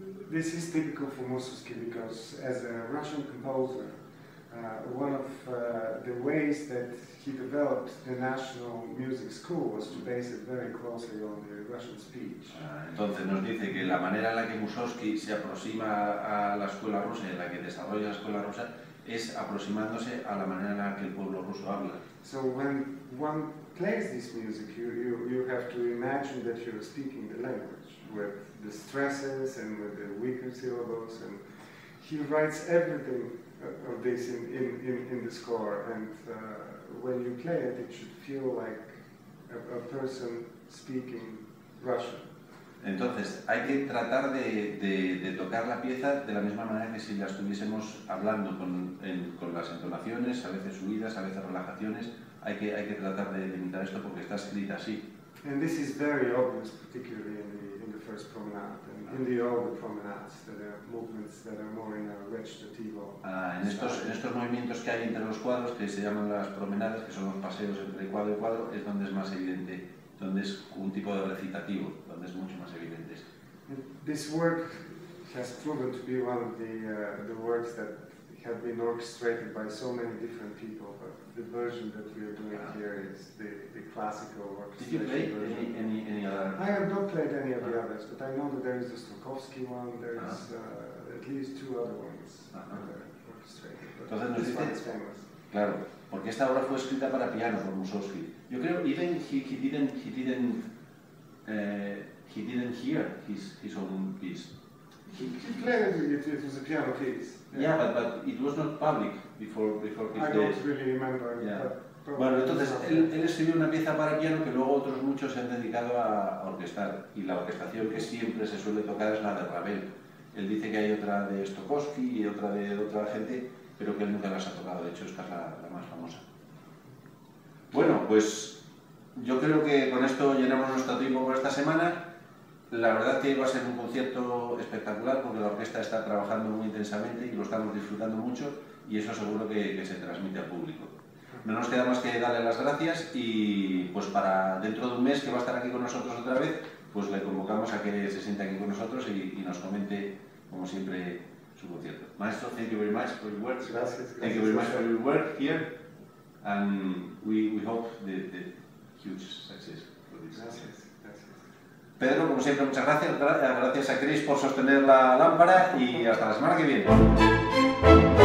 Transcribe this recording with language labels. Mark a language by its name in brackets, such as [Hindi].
[English] This is typical for Mussorgsky, because as a Russian composer, one of the ways that he developed the national music school was to base it very closely on the Russian speech. [Spanish] Entonces nos dice que la manera en la que Mussorgsky se aproxima a la escuela rusa, en la que desarrolla la escuela rusa, es aproximándose a la manera en la que el pueblo ruso habla. [English] So when one plays this music, you have to imagine that you're speaking the language with the stresses and with the weaker syllables, and he writes everything of this in the score, and when you play it, it should feel like a person speaking Russian. [Spanish] Entonces, hay que tratar de tocar la pieza de la misma manera que si la estuviésemos hablando con las entonaciones, a veces subidas, a veces relajaciones. Hay que tratar de imitar esto porque está escrita así. [English] And this is very obvious, particularly in the first promenade, and in the older promenades, that are movements that are more in a recitativo. [Spanish] En estos movimientos que hay entre los cuadros, que se llaman las promenadas, que son los paseos entre cuadro y cuadro, es donde es más evidente, donde es un tipo de recitativo, donde es mucho más evidente. [English] This work has proven to be one of the works that have been orchestrated by so many different people, but the version that we are doing here is the classical orchestration. Did you play any other? I have not played any of the others, but I know that there is the Stokowski one, there is at least two other ones orchestrated. But this one is famous. [Spanish] Claro, porque esta obra fue escrita para piano por Mussorgsky. Yo creo [English] even he didn't hear his own piece. He played it was a piano piece. Yeah, but it was not public before his death. I don't really remember. Yeah. [Spanish] Bueno, entonces él escribió una pieza para piano que luego otros muchos se han dedicado a orquestar, y la orquestación que siempre se suele tocar es la de Ravel. Él dice que hay otra de Stokowski y otra de otra gente, pero que él nunca las ha tocado. De hecho, esta es la más famosa. Bueno, pues yo creo que con esto llenamos nuestro tiempo por esta semana. La verdad que va a ser un concierto espectacular, porque la orquesta está trabajando muy intensamente y lo estamos disfrutando mucho, y eso seguro que se transmite al público. No nos queda más que darle las gracias, y pues para dentro de un mes, que va a estar aquí con nosotros otra vez, pues le convocamos a que se siente aquí con nosotros y nos comente, como siempre, su concierto. [English] Maestro, thank you very much for your work. [Spanish] Gracias. [English] Thank you very much for your work here, and we hope the huge success for this. [Spanish] Gracias. Pedro, como siempre, muchas gracias. Gracias a Chris por sostener la lámpara, y hasta la semana que viene.